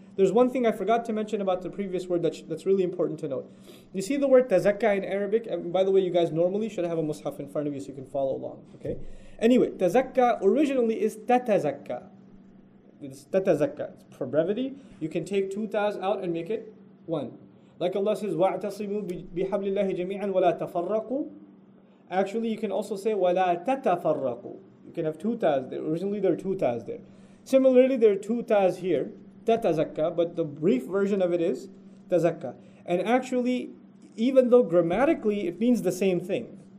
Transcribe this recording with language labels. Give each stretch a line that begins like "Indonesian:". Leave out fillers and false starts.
English: There's one thing I forgot to mention about the previous word that's really important to note. You see the word tazakka in Arabic? And by the way, you guys normally should have a mushaf in front of you so you can follow along, okay? Anyway, tazakka originally is tatazakka. It's tatazakka. For brevity, you can take two ta's out and make it one.
Arabic: Like Allah says, وَاعْتَصِمُوا بِحَبْلِ اللَّهِ جَمِيعًا وَلَا تَفَرَّقُوا.
English: Actually, you can also say,
Arabic: وَلَا تَتَفَرَّقُوا.
English: You can have two ta's there. Originally, there are two ta's there. Similarly, there are two ta's here, tatazakka, but the brief version of it is tazakka. And actually, even though grammatically, it means the same thing.